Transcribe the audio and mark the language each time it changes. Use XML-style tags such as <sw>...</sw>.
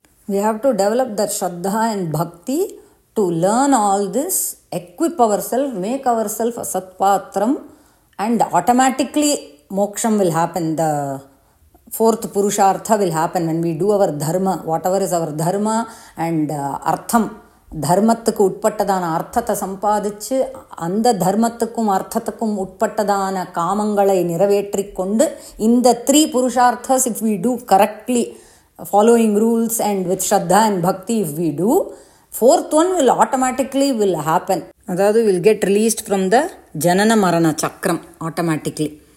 <en>We have to develop that Shraddha and Bhakti to learn all this, equip ourselves, make ourselves a Satpatram, and automatically Moksham will happen. The fourth Purushartha will happen when we do our Dharma, whatever is our Dharma and Artham.</en> <ta>தர்மத்துக்கு உட்பட்டதான அர்த்தத்தை சம்பாதிச்சு, அந்த தர்மத்துக்கும் அர்த்தத்துக்கும் உட்பட்டதான காமங்களை நிறைவேற்றி கொண்டு, இந்த 3 புருஷார்த்தஸ்</ta> <en>If we do correctly following rules and with Shraddha and Bhakti, if we do, fourth one will automatically will happen. Adhaadu will get released from the Janana Marana Chakram automatically.</en>